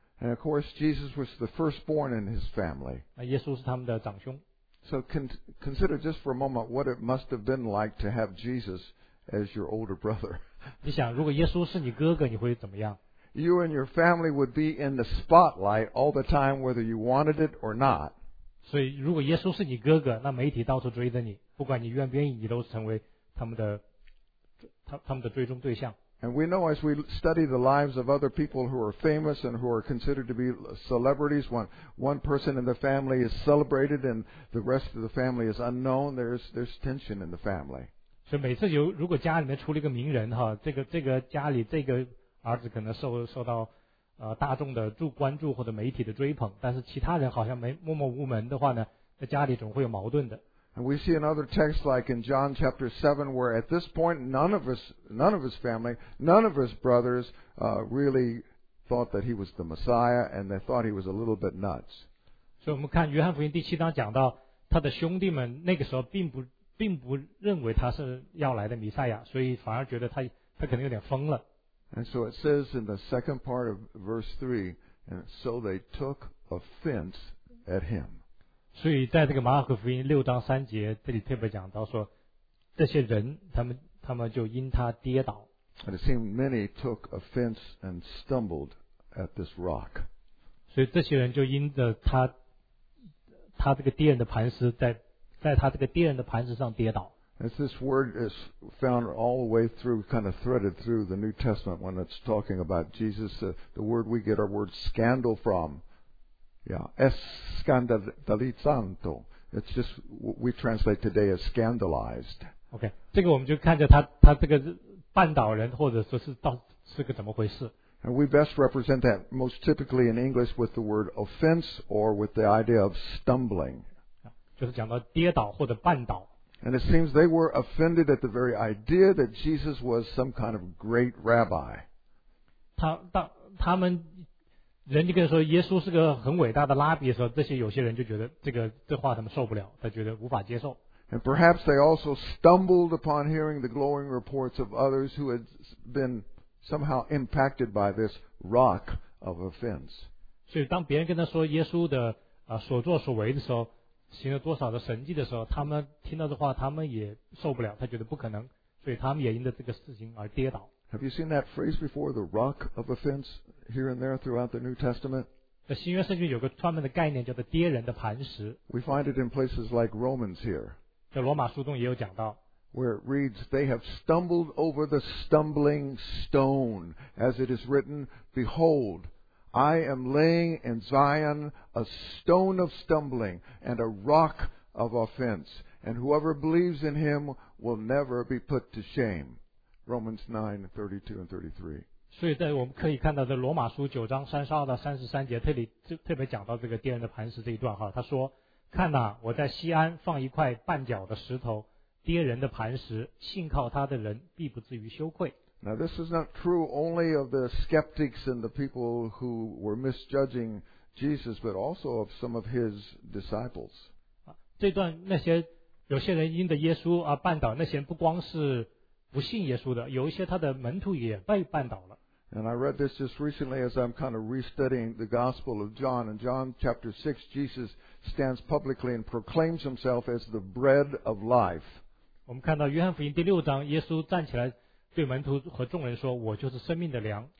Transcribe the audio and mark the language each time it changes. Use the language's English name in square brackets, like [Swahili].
[English] And of course Jesus was the firstborn in his family. [Chinese] 那耶稣是他们的长兄。 [English] So consider just for a moment what it must have been like to have Jesus as your older brother. [Chinese] 你想，如果耶稣是你哥哥，你会怎么样？ [English] You and your family would be in the spotlight all the time, whether you wanted it or not. [Chinese] 所以，如果耶稣是你哥哥，那媒体到处追着你，不管你愿不愿意，你都成为他们的追踪对象。 [English] And we know as we study the lives of other people who are famous and who are considered to be celebrities, one person in the family is celebrated and the rest of the family is unknown, there's tension in the family. [Chinese] 所以每次如果家里面出了一个名人，这个家里这个儿子可能受到大众的关注或者媒体的追捧，但是其他人好像没默默无闻的话呢，在家里总会有矛盾的。 [English] And we see another text like in John chapter 7 where at this point none of his family, none of his brothers really thought that he was the Messiah and they thought he was a little bit nuts. [Chinese] 所以我们看约翰福音第七章讲到他的兄弟们那个时候并不认为他是要来的弥赛亚，所以反而觉得他可能有点疯了。 [English] And so it says in the second part of verse 3, and so they took offense at him. [Chinese] 所以在这个马可福音六章三节这里特别讲到说，这些人他们就因他跌倒。 [English] And it seemed many took offense and stumbled at this rock. [Chinese] 所以这些人就因着他这个跌人的磐石在他这个跌人的磐石上跌倒。 [English] As this word is found all the way through, kind of threaded through the New Testament when it's talking about Jesus, the word we get our word scandal from, yeah, escandalizando. It's just we translate today as scandalized. [Chinese] Okay, 这个我们就看着他这个绊倒人，或者说是到是个怎么回事。 [English] And we best represent that most typically in English with the word offense or with the idea of stumbling. [Chinese] 就是讲到跌倒或者绊倒。 [English] And it seems they were offended at the very idea that Jesus was some kind of great rabbi. [Chinese] 他们人家跟他说耶稣是个很伟大的拉比的时候，这些有些人就觉得这话他们受不了，他觉得无法接受。 [English] And perhaps they also stumbled upon hearing the glowing reports of others who had been somehow impacted by this rock of offense. [Chinese] 所以当别人跟他说耶稣的所作所为的时候，行了多少的神迹的时候，他们听到的话他们也受不了，他觉得不可能，所以他们也因着这个事情而跌倒。 [English] Have you seen that phrase before, the rock of offense, here and there throughout the New Testament? [Chinese] 在新约圣经有个专门的概念叫做跌人的磐石。 [English] We find it in places like Romans here, [Chinese] 在罗马书中也有讲到， [English] where it reads, they have stumbled over the stumbling stone, as it is written, behold,I am laying in Zion a stone of stumbling and a rock of offense, and whoever believes in him will never be put to shame. Romans 9:32-33. [Chinese] 所以在我们可以看到在罗马书九章三十二到三十三节特别讲到这个跌人的磐石这一段哈，他说看哪，我在锡安放一块绊脚的石头，跌人的磐石，信靠他的人必不至于羞愧。 [English] Now this is not true only of the skeptics and the people who were misjudging Jesus, but also of some of his disciples. [Chinese] 这段那些有些人因着耶稣而绊倒，那些人不光是不信耶稣的，有一些他的门徒也被绊倒了。 [English] And I read this just recently as I'm kind of restudying the Gospel of John. In John chapter 6, Jesus stands publicly and proclaims himself as the bread of life. [Chinese] 我们看到约翰福音第六章，耶稣站起来对门徒和众人说，我就是生命的粮。